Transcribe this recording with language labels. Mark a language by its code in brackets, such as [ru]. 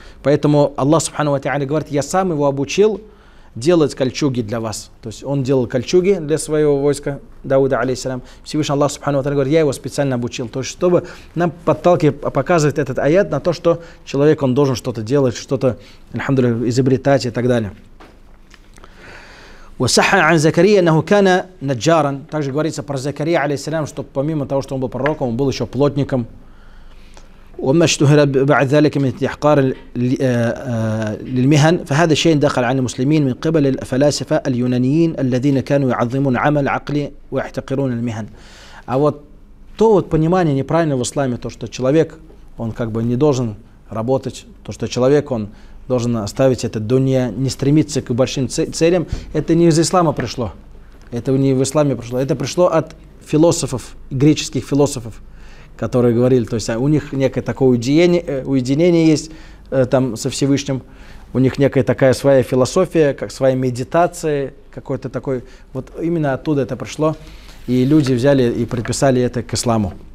[ru] Поэтому Аллах Субхану ва Тааля говорит: я сам его обучил делать кольчуги для вас. То есть он делал кольчуги для своего войска Дауда алейхиссалям. Всевышний Аллах Субхану ва Тааля говорит: я его специально обучил. То есть чтобы нам подталкивать, показывать этот аят на то, что человек, он должен что-то делать, что-то, альхамдулиллях, изобретать и так далее. [ar] وصحن عن زكريا انه كان نجارا. [ru] Также говорится про Закария алейхиссалям, что помимо того, что он был пророком, он был еще плотником. [ar] وما اشتهر بعد ذلك من احقار للمهن فهذا الشيء دخل على المسلمين من قبل الفلاسفه اليونانيين الذين كانوا يعظمون عمل عقلي ويحتقرون المهن. [ru] А вот то вот понимание неправильное в исламе, то что человек, он как бы не должен работать, то что человек, он должен оставить это дунья, не стремиться к большим целям, это не из ислама пришло. Это не в исламе пришло. Это пришло от философов, греческих философов, которые говорили, то есть у них некое такое уединение, уединение есть там со Всевышним, у них некая такая своя философия, как своя медитация, какой-то такой, вот именно оттуда это пришло, и люди взяли и приписали это к исламу.